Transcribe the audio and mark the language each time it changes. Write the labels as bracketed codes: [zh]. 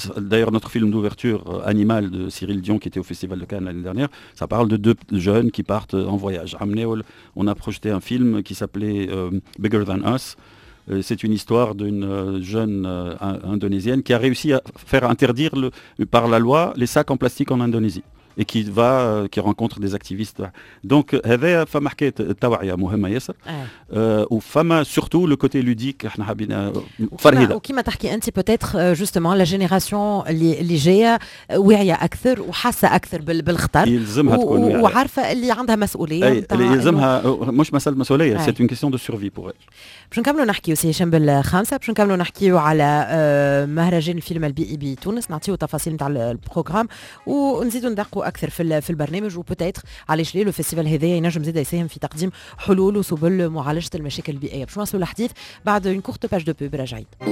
[fr] d'ailleurs notre film d'ouverture Animal de Cyril Dion qui était au festival de Cannes l'année dernière ça parle de deux jeunes qui partent en voyage amenés on a projeté un film qui s'appelait Bigger Than Us. C'est une histoire d'une jeune indonésienne qui a réussi à faire interdire par la loi les sacs en plastique en Indonésie et qui rencontre des activistes. [ar] Donc, هذا فما حكاية التوعية مهمة ياسر. وفما [fr] surtout le côté ludique [ar] احنا حابين فرهيدة. وكيما تحكي انت [fr] peut-être justement la génération [ar] اللي جاية واعية اكثر وحاسة اكثر بالخطر وعارفة اللي عندها مسؤولية. اللي يلزمها مش مسألة مسؤولية [fr] c'est une question de survie pour elle. [ar] باش نكملوا نحكيوا سي هشام بالخامسة باش نكملوا نحكيوا على مهرجان الفيلم البي اي بي تونس نعطيوا تفاصيل نتاع البروغرام ونزيدوا ندق أكثر في البرنامج وبتايتر على شلي الفستيفال هذايا ينجم زيدا يساهم في تقديم حلول وسبل معالجة المشاكل البيئية باش نواصلوا الحديث بعد [fr] اون كورت باج دو بوب [ar] راجعين